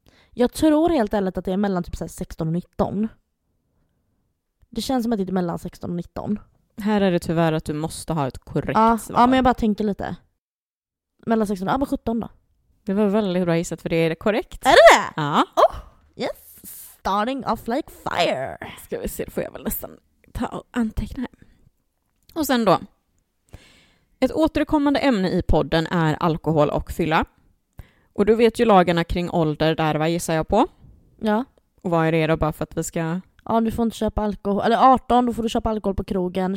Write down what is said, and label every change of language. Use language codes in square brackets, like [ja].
[sv] Jag tror helt ärligt att det är mellan typ 16 och 19. Det känns som att det är mellan 16 och 19. Här är det tyvärr att du måste ha ett korrekt svar. Ja, men jag bara tänker lite. Mellan 16 och 17 då. Det var väldigt bra gissat, för det är korrekt. Är det det? Ja. [en] Oh, yes, starting off like fire. [sv] Ska vi se, då får jag väl nästan ta och anteckna här. Och sen då. Ett återkommande ämne i podden är alkohol och fylla. Och du vet ju lagarna kring ålder där, vad gissar jag på? Ja. Och vad är det då, bara för att vi ska... Ja, du får inte köpa alkohol. Eller 18, då får du köpa alkohol på krogen.